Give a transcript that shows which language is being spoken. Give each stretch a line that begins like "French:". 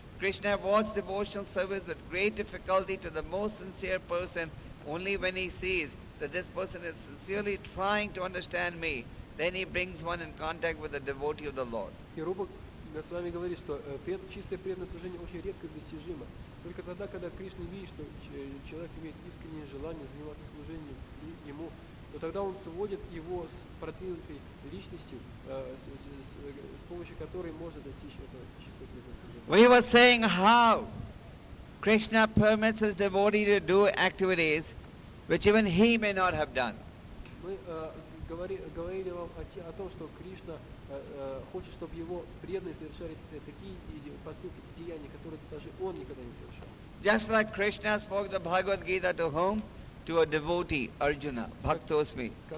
English: Krishna awards devotional service with great difficulty to the most sincere person only when he sees that this person is sincerely trying to understand me. Then he brings one in contact with the devotee of the Lord.
Russian: И Рупа Госвами говорит, что чистое преданное служение очень редко достижимо. Только тогда, когда Кришна видит, что человек имеет искреннее желание заниматься служением ему, то тогда он сводит его с продвинутой личностью, с помощью которой может достичь этого чистого преданного.
English: We were saying how Krishna permits his devotee to do activities which even he may not have done.
Russian: Мы говорили вам о том, что Кришна хочет, чтобы его преданные совершали такие поступки, деяния, которые даже он никогда не совершал.
English: Just like Krishna spoke the Bhagavad Gita to whom? To a devotee, Arjuna, Bhaktosmi.